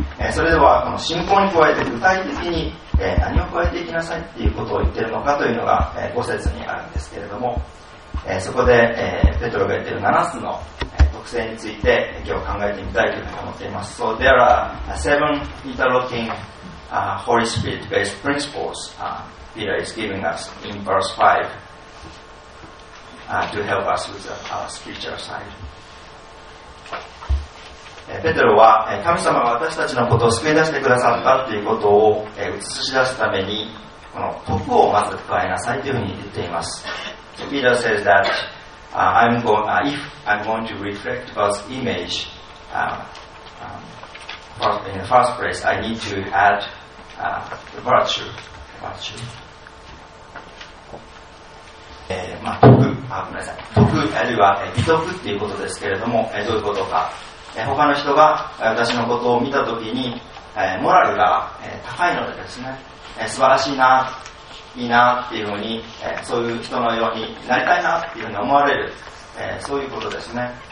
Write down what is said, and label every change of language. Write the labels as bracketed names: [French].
[Japanese] それではこの信仰に加えて具体的に何を加えていきなさいということを言っているのかというのが5節にあるんですけれども、そこでペトロが言っている7つの特性について今日考えてみたいというふうに思っています。 So [English] there are seven interlocking Holy Spirit based principles Peter is giving us in verse 5 to help us with our spiritual side。 [Japanese] ペテロは神様が私たちのことを救い出してくださったということを映し出すためにこの徳をまず加えなさいというふうに言っています。 [English] So Peter says that if I'm going to reflect God's image in the first place, I need to add the virtue、 [Japanese] 徳あるいは美徳っていうことですけれども、どういうことか、他の人が私のことを見たときにモラルが高いのでですね、素晴らしいな、いいなっていうふうに、そういう人のようになりたいなっていうふうに思われる、そういうことですね。